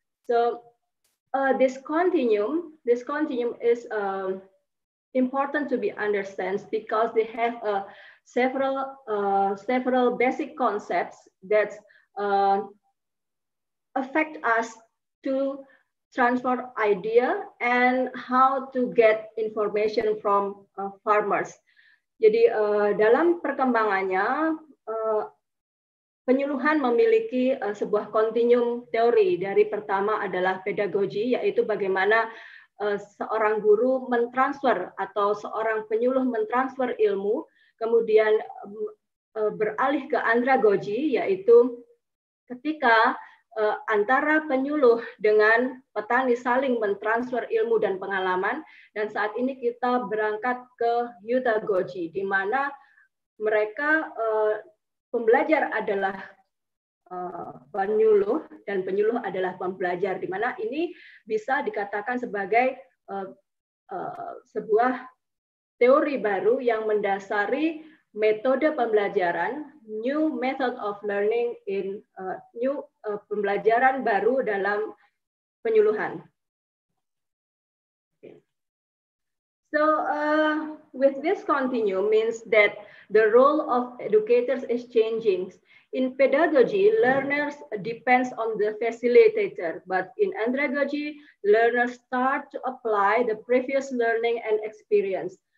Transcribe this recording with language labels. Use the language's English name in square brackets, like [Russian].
[English] So this continuum is important to be understood, because they have several basic concepts that affect us to transfer idea and how to get information from farmers. [Indonesian] Jadi dalam perkembangannya, penyuluhan memiliki sebuah kontinum teori. Dari pertama adalah pedagogi, yaitu bagaimana seorang guru mentransfer atau seorang penyuluh mentransfer ilmu, kemudian beralih ke andragogi, yaitu ketika antara penyuluh dengan petani saling mentransfer ilmu dan pengalaman, dan saat ini kita berangkat ke youthagogy, di mana mereka pembelajar adalah penyuluh dan penyuluh adalah pembelajar, di mana ini bisa dikatakan sebagai sebuah teori baru yang mendasari metode pembelajaran, [English] new method of learning in new [Indonesian] pembelajaran baru dalam penyuluhan. [English] So with this continuum means that the role of educators is changing. In pedagogy, learners depends on the facilitator, but in andragogy, learners start to apply the previous learning and experience.